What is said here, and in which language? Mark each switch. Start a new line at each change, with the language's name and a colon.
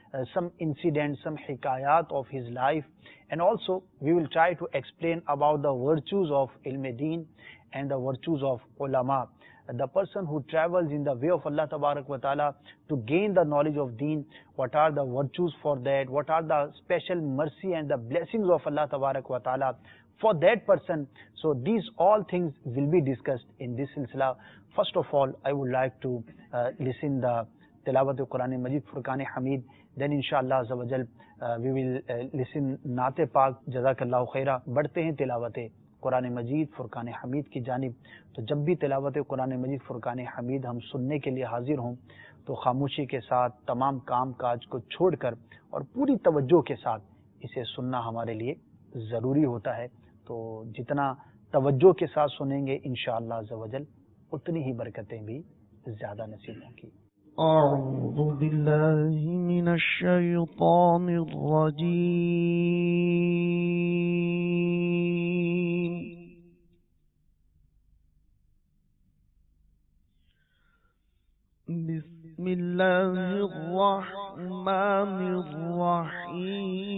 English: some incidents, some hikayat of his life, and also we will try to explain about the virtues of ilm-e-deen and the virtues of ulama, the person who travels in the way of Allah tabarak wa ta'ala to gain the knowledge of deen. What are the virtues for that? What are the special mercy and the blessings of Allah tabarak wa ta'ala for that person? So these all things will be discussed in this silsila. First of all, I would like to listen the
Urdu: تلاوت قرآن مجید فرقان حمید، دین انشاءاللہ عزوجل
English: we will listen
Urdu: نعت پاک جزاک اللہ خیرا۔ بڑھتے ہیں تلاوت قرآن مجید فرقان حمید کی جانب۔ تو جب بھی تلاوت قرآن مجید فرقان حمید ہم سننے کے لیے حاضر ہوں تو خاموشی کے ساتھ تمام کام کاج کو چھوڑ کر اور پوری توجہ کے ساتھ اسے سننا ہمارے لیے ضروری ہوتا ہے۔ تو جتنا توجہ کے ساتھ سنیں گے انشاءاللہ عزوجل اتنی ہی برکتیں بھی زیادہ نصیب ہوں گی۔
Arabic: أعوذ بالله من الشيطان الرجيم بسم الله الرحمن الرحيم.